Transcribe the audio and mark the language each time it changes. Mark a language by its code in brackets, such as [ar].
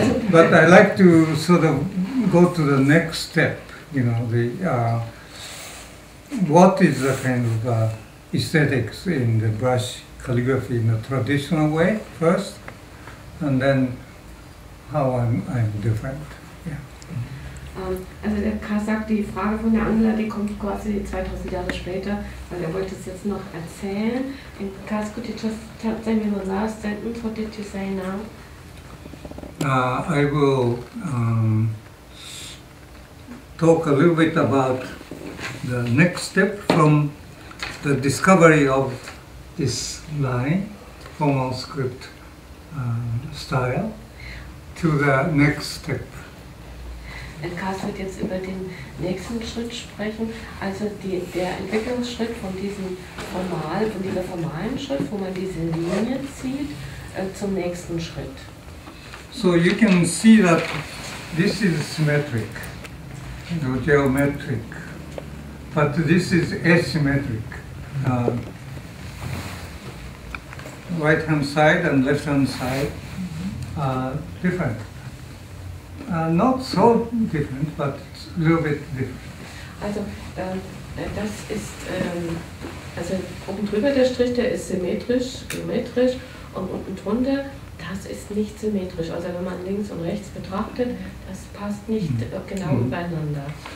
[en] But I like to sort of go to the next step, you know, what is the kind of aesthetics in the brush calligraphy in a traditional way first, and then how I'm different. Yeah. [de] Also der Karl sagt, die Frage von der Angela, die kommt quasi 2000 Jahre später, weil er wollte es jetzt noch erzählen. [en] And Karl, could you just tell them your last sentence? What did you say now? I will talk a little bit about the next step from the discovery of this line, formal script style, to the next step. [de] Und Karl wird jetzt über den nächsten Schritt sprechen, also der Entwicklungsschritt von dieser formalen Schrift, wo man diese Linie zieht, zum nächsten Schritt. [en] So you can see that this is symmetric, you know, geometric, but this is asymmetric. Right hand side and left hand side are different. Not so different, but a little bit different. [de] Also das ist also oben drüber der Strich, der ist symmetrisch, geometrisch, und unten drunter, das ist nicht symmetrisch. Also wenn man links und rechts betrachtet, das passt nicht genau übereinander.